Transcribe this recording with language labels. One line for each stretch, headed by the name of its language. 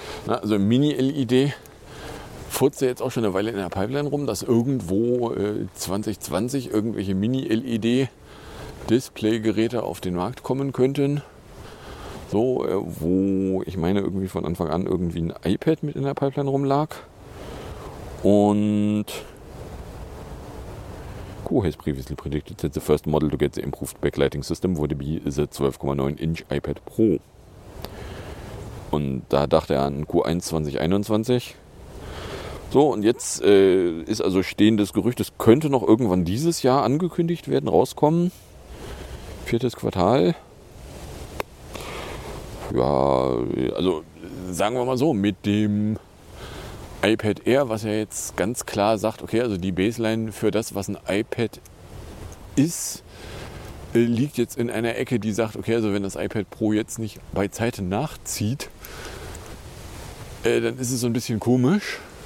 German: Also Mini-LED furzt ja jetzt auch schon eine Weile in der Pipeline rum, dass irgendwo 2020 irgendwelche Mini-LED-Display-Geräte auf den Markt kommen könnten. So, wo ich meine irgendwie von Anfang an irgendwie ein iPad mit in der Pipeline rumlag. Und
English: Who has previously predicted that the first model to get the improved backlighting system would be the 12,9-inch iPad Pro?
German: Und da dachte er an Q1 2021. So, und jetzt ist also stehendes Gerücht, es könnte noch irgendwann dieses Jahr angekündigt werden, rauskommen. Viertes Quartal. Ja, also sagen wir mal so, mit dem iPad Air, was ja jetzt ganz klar sagt, okay, also die Baseline für das, was ein iPad ist, liegt jetzt in einer Ecke, die sagt, okay, also wenn das iPad Pro jetzt nicht bei Zeiten nachzieht, dann ist es so ein bisschen komisch.